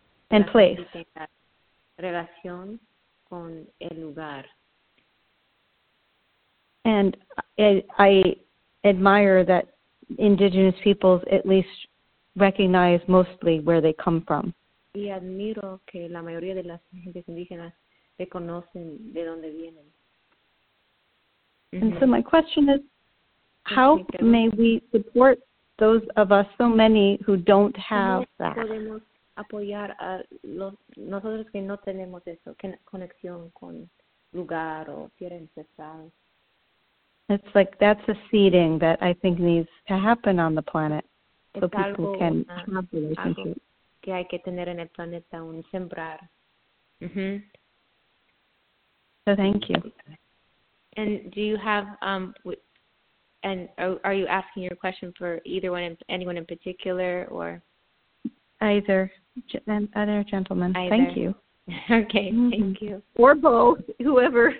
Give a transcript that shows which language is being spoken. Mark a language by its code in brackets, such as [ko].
[en] and place. [es] Relación con el lugar. [en] And I admire that indigenous peoples at least recognize mostly where they come from. [es] Y admiro que la mayoría de las gentes indígenas reconocen de dónde vienen. [en] And so my question is, how may we support those of us, so many, who don't have that? [es] Podemos apoyar a nosotros que no tenemos eso, conexión con lugar o tierra ancestral. [en] It's like that's a seeding that I think needs to happen on the planet, so [es] es algo, [en] people can have relationships. [es] Que hay que tener en el planeta un sembrar. Mm-hmm. [en] So thank you. And do you have, and are you asking your question for either one, anyone in particular, or? Either. Other gentleman. Either. Thank you. Okay, mm-hmm. Thank you. Or both, whoever